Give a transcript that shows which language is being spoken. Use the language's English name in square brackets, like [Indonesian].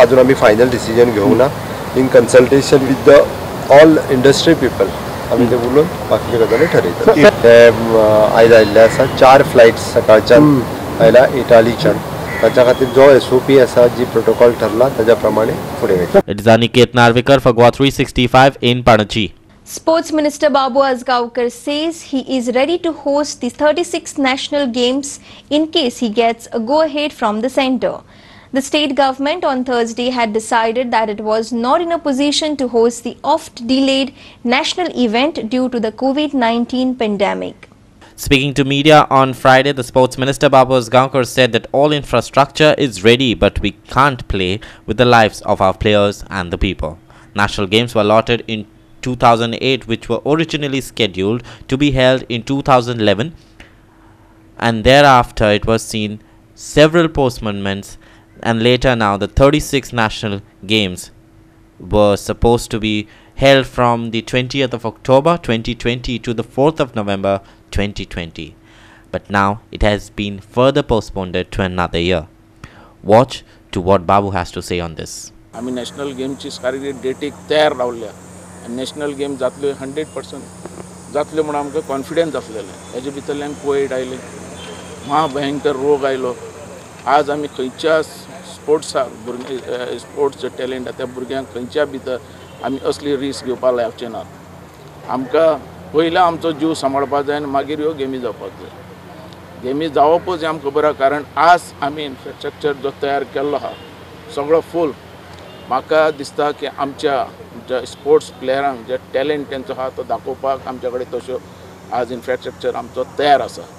[Goan Konkani] अजून आमी final decision घेवंक ना, [English] in consultation with the all industry people [Goan Konkani] आमी ते उलोवन बाकीच्यो गजाली ठरयतात। ते आयज आयिल्ले आसा, 4 फ्लायट सकाळच्यान आयल्या इटालीच्यान, ताच्या खातीर जो SOP आसा, जी प्रोटोकॉल ठरला ताज्या प्रमाणे फुडें वयता। [English] It is Aniket Narvekar for Goa 365 in Panaji. Sports minister Babu Ajgaonkar says he is ready to host the 36th national games in case he gets a go ahead from the centre. The state government on Thursday had decided that it was not in a position to host the oft-delayed national event due to the COVID-19 pandemic. Speaking to media on Friday, the sports minister Babu Asgaonkar said that all infrastructure is ready, but we can't play with the lives of our players and the people. National games were allotted in 2008, which were originally scheduled to be held in 2011, and thereafter it was seen several postponements, and later now the 36th national games were supposed to be held from the 20th of October 2020 to the 4th of November 2020, but now it has been further postponed to another year. Watch to what Babu has to say on this. [Goan Konkani] आम्ही national गेमची शारीरिक डेटीक तयार रावल्या, आणि national game जातल्यो 100% जातल्यो म्हणून आमकां confidence आसलेले। हेजे भितरल्यान कोविड आयले, महाभयंकर रोग आयलो, आज आमी खंयच्या स्पोर्ट्साक भुरगें स्पोर्ट्स जे टॅलेंट आहा त्या भुरग्यांक खंयच्या भितर आमी असली रिस्क घेवपाक लावचे नात। आमकां पयलो आमचो जीव सांबाळपाक जाय आनी मागीर ह्यो गेमी जावपाक जाय। गेमी जावपूच हें आमकां खबर आसा, कारण आज आमी इन्फ्रास्ट्रक्चर जो तयार केल्लो आसा सगळो फूल, माका दिसता की आमच्या ज्या स्पोर्ट्स प्लेयरांक जे टॅलेंट तेंचो आहा तो दाखोवपाक आमच्या कडेन तश्यो आज इन्फ्रास्ट्रक्चर आमचो तयार आसा.